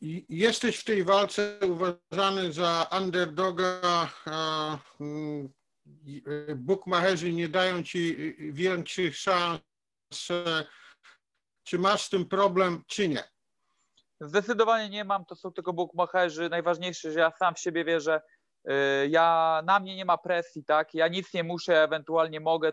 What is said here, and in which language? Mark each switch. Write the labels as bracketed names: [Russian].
[Polish] Jesteś w tej walce uważany za underdoga. [Ukrainian] букмекери не дають ти більших шанс, чи маєш тим проблем, чи ні? [Polish] Zdecydowanie nie mam, to są tylko bukmacherzy. Najważniejsze, że ja sam w siebie wierzę. Ja, na mnie nie ma presji, tak? Ja nic nie muszę, ewentualnie mogę.